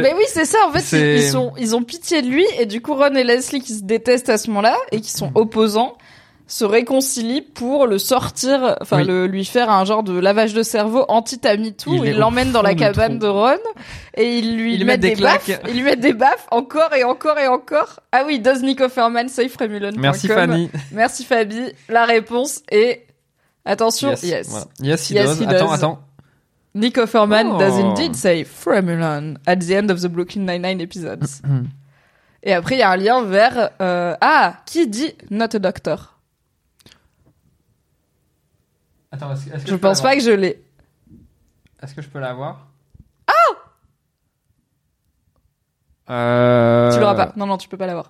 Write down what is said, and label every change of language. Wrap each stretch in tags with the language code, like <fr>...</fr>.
<fr>Mais oui, c'est ça en fait, c'est... ils ont pitié de lui et du coup Ron et Leslie qui se détestent à ce moment-là et qui sont opposants se réconcilie pour le sortir, enfin oui, le lui faire un genre de lavage de cerveau anti-Tamie tout, il l'emmène dans la cabane de Ron et il lui met des baffes encore et encore et encore. Ah oui,</fr> <en>does Nick Offerman say Fremulon?</en> <fr>Merci Fanny. Merci Fabi. La réponse est attention.</fr> <en>Yes. Yes, voilà. Yes, he does.</en> <fr>Attends.</fr> <en>Nick Offerman does indeed say Fremulon at the end of the Brooklyn Nine-Nine episodes.</en> <fr>Et après il y a un lien vers qui dit</fr> <en>not a doctor?</en> <fr>Attends, est-ce que je pense pas que je l'ai. Est-ce que je peux l'avoir? Ah! Tu l'auras pas. Non, tu peux pas l'avoir.</fr>